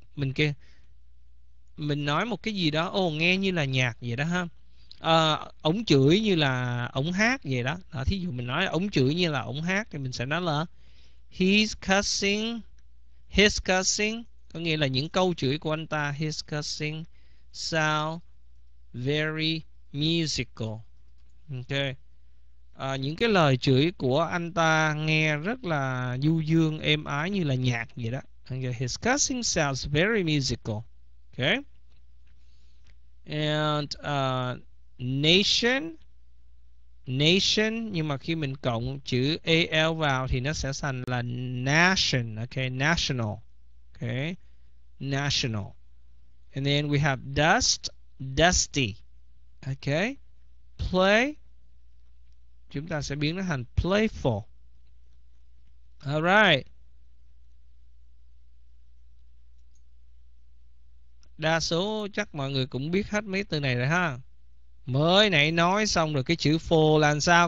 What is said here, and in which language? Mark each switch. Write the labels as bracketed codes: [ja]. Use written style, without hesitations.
[vi] Mình kia mình nói một cái gì đó ồ nghe như là nhạc vậy đó ha. Ống chửi như là ống hát vậy đó. Đó, thí dụ mình nói ống chửi như là ống hát thì mình sẽ nói là [en] he's cussing. He's cussing [vi] có nghĩa là những câu chửi của anh ta. [en] He's cussing sound very musical. Okay. [vi] Những cái lời chửi của anh ta nghe rất là du dương êm ái như là nhạc vậy đó. [en] Okay. His cussing sounds very musical. Okay. And nation, nation [vi] nhưng mà khi mình cộng chữ al vào thì nó sẽ thành là nation. [en] Okay, national. Okay, national. And then we have dust, dusty. Okay. [vi] Play. Chúng ta sẽ biến nó thành playful. [en] Alright. [vi] Đa số chắc mọi người cũng biết hết mấy từ này rồi ha. Mới nãy nói xong rồi cái chữ full là sao?